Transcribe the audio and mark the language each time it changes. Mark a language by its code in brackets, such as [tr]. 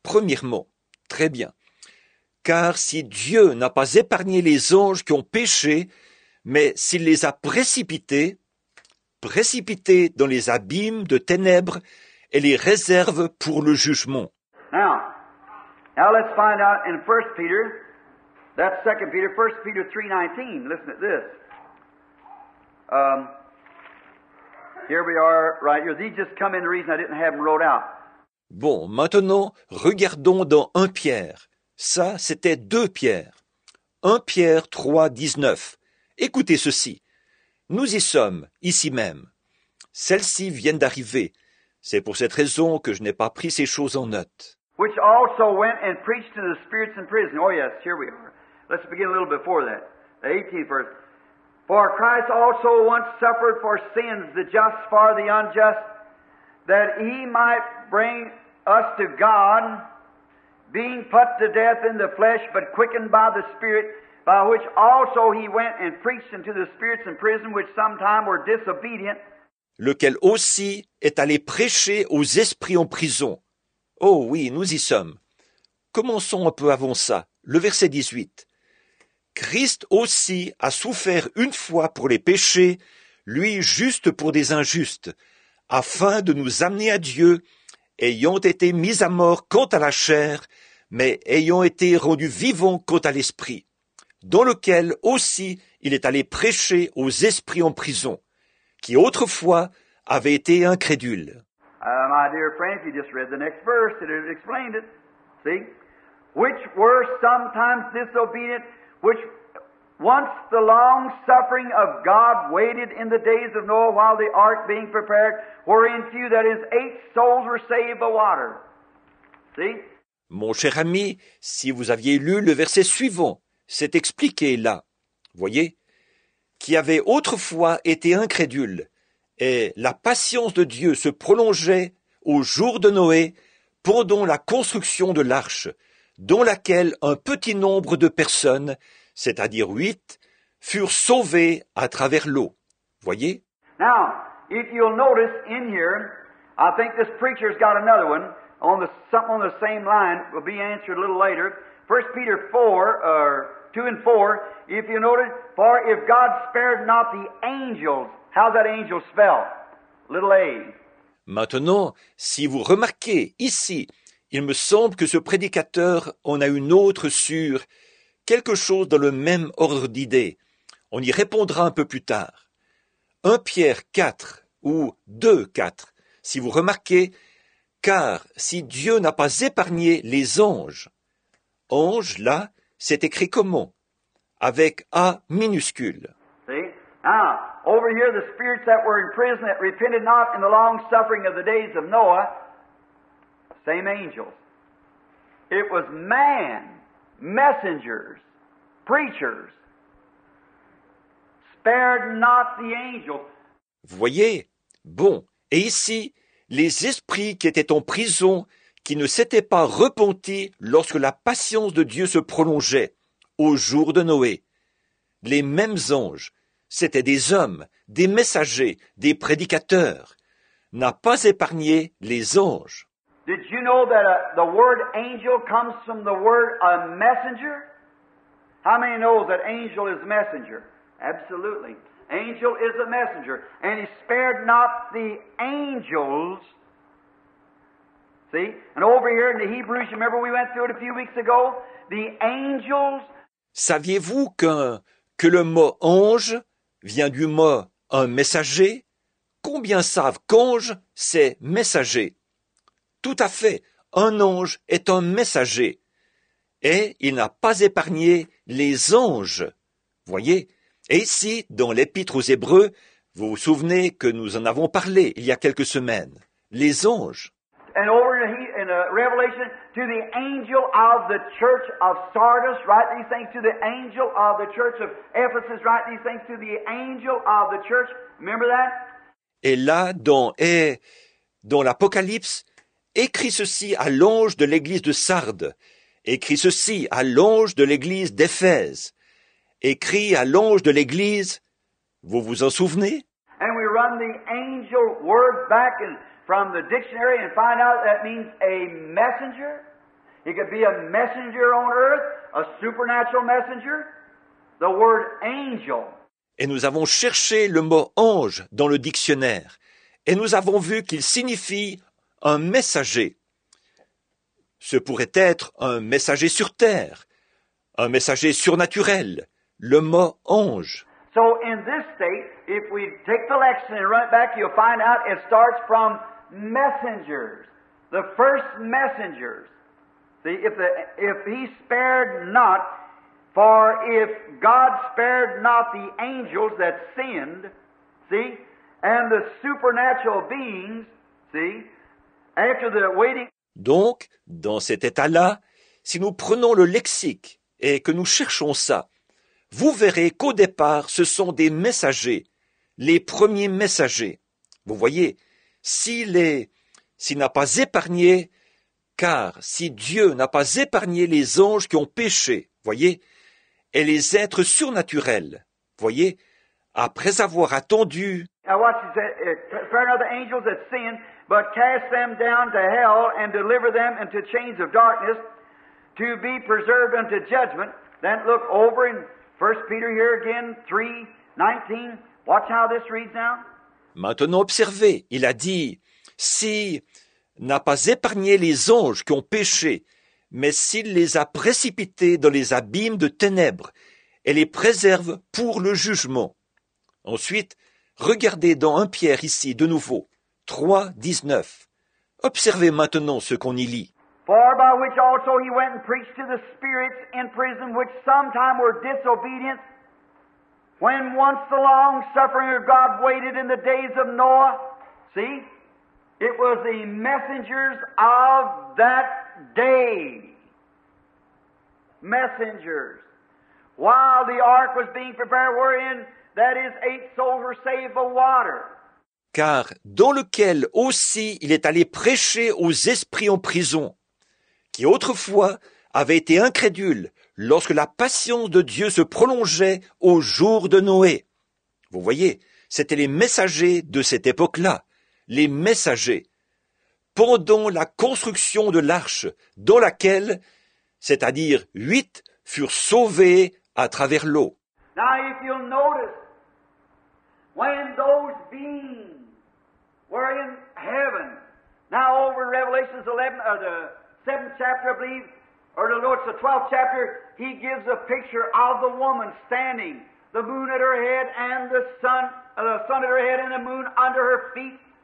[fr] Premièrement, très bien. Car si Dieu n'a pas épargné les anges qui ont péché, mais s'il les a précipités dans les abîmes de ténèbres et les réserve pour le jugement. [en] Now let's find out in 1 Peter, that's 2 Peter, 1 Peter 3, 19. Listen at this. Here we are, right here. These just come in the reason I didn't have them wrote out. [fr] Bon, maintenant, regardons dans 1 Pierre. Ça, c'était 2 Pierre. 1 Pierre 3, 19. Écoutez ceci. Nous y sommes, ici même. Celles-ci viennent d'arriver. C'est pour cette raison que je n'ai pas pris ces choses en note. [en] Which also went and preached to the spirits in prison. Oh yes, here we are. Let's begin a little before that. The 18th verse. For Christ also once suffered for sins, the just for the unjust, that he might bring us to God, being put to death in the flesh, but quickened by the Spirit, by which also he went and preached unto the spirits in prison, which sometime were disobedient. [fr] Lequel aussi est allé prêcher aux esprits en prison. Oh oui, nous y sommes. Commençons un peu avant ça. Le verset 18. Christ aussi a souffert une fois pour les péchés, lui juste pour des injustes, afin de nous amener à Dieu, ayant été mis à mort quant à la chair, mais ayant été rendu vivant quant à l'esprit, dans lequel aussi il est allé prêcher aux esprits en prison, qui autrefois avaient été incrédules. [en] My dear friend, you just read the next verse, it explained it. See? Which were sometimes disobedient, which once the long suffering of God waited in the days of Noah while the ark being prepared, wherein few, that is, 8 souls were saved by water. See? [fr] Mon cher ami, si vous aviez lu le verset suivant, c'est expliqué là, voyez, qui avait autrefois été incrédule, et la patience de Dieu se prolongeait au jour de Noé pendant la construction de l'arche, dont laquelle un petit nombre de personnes, c'est-à-dire 8, furent sauvées à travers l'eau. Voyez? [en] Now, if you'll notice in here, I think this preacher's got another one, something on the same line will be answered a little later. 1 Peter 4, or 2 and 4, if you notice, for if God spared not the angels, how's that angel spelled? Little a. [fr] Maintenant, si vous remarquez ici, il me semble que ce prédicateur en a une autre sur quelque chose dans le même ordre d'idée. On y répondra un peu plus tard. 1 Pierre 4 ou 2, 4. Si vous remarquez, car si Dieu n'a pas épargné les anges. Ange, là, c'est écrit comment? Avec A minuscule. [en] See? Ah, over here the spirits that were in prison that repented not in the long suffering of the days of Noah. Same angels. It was man, messengers, preachers, spared not the angels. [fr] Voyez, bon, et ici, les esprits qui étaient en prison, qui ne s'étaient pas repentis lorsque la patience de Dieu se prolongeait, au jour de Noé. Les mêmes anges, c'étaient des hommes, des messagers, des prédicateurs. n'a pas épargné les anges. [en] Did you know that the word angel comes from the word a messenger? How many know that angel is messenger? Absolutely. Angel is a messenger. And he spared not the angels. See? And over here in the Hebrews, remember we went through it a few weeks ago? The angels. [fr] Saviez-vous que le mot ange vient du mot un messager? Combien savent qu'ange, c'est messager? Tout à fait, un ange est un messager. Et il n'a pas épargné les anges. Voyez, et ici, dans l'Épître aux Hébreux, vous vous souvenez que nous en avons parlé il y a quelques semaines. Les anges. [en] And over in a revelation to the angel of the church of Sardis, write these things to the angel of the church of Ephesus, write these things to the angel of the church. Remember that? [fr] Et là, dans l'Apocalypse, écrit ceci à l'ange de l'église de Sardes, écrit ceci à l'ange de l'église d'Éphèse, écrit à l'ange de l'église, vous vous en souvenez? [en] And we run the angel word back and from the dictionary and find out that means a messenger. It could be a messenger on earth, a supernatural messenger. The word angel. [fr] Et nous avons cherché le mot ange dans le dictionnaire et nous avons vu qu'il signifie un messager. Ce pourrait être un messager sur terre, un messager surnaturel, le mot ange. [en] So in this state, if we take the lexicon and run it back, you'll find out it starts from messengers, the first messengers. See, if he spared not, for if God spared not the angels that sinned, see, and the supernatural beings, see, after the waiting. [fr] Donc, dans cet état-là, si nous prenons le lexique et que nous cherchons ça, vous verrez qu'au départ, ce sont des messagers, les premiers messagers. Vous voyez, s'il n'a pas épargné, car si Dieu n'a pas épargné les anges qui ont péché, voyez, et les êtres surnaturels, voyez, après avoir attendu. [en] Now watch, he said, fair enough, the angels that sinned, but cast them down to hell and deliver them into chains of darkness to be preserved unto judgment. Then look over in 1 Peter here again, 3:19. Watch how this reads now. [fr] Maintenant observez, il a dit, si n'a pas épargné les anges qui ont péché, mais s'il les a précipités dans les abîmes de ténèbres et les préserve pour le jugement. Ensuite, regardez dans 1 Pierre ici de nouveau, 3:19. Observez maintenant ce qu'on y lit. [en] For by which also he went and preached to the spirits in prison which sometime were disobedient. When once the long suffering of God waited in the days of Noah, see, it was the messengers of that day. Messengers. While the ark was being prepared, wherein that is eight souls were saved of water. [fr] Car dans lequel aussi il est allé prêcher aux esprits en prison, qui autrefois avaient été incrédules. Lorsque la patience de Dieu se prolongeait au jour de Noé. Vous voyez, c'était les messagers de cette époque-là, les messagers. Pendant la construction de l'arche, dans laquelle, c'est-à-dire 8, furent sauvés à travers l'eau. [en] Now, if you'll notice, when those beings were in heaven, now over in Revelation 11, or the 7th chapter, I believe, or the Lord's the 12th chapter, he gives a picture of the woman standing, the moon at her head and the sun at her head and the moon under her feet.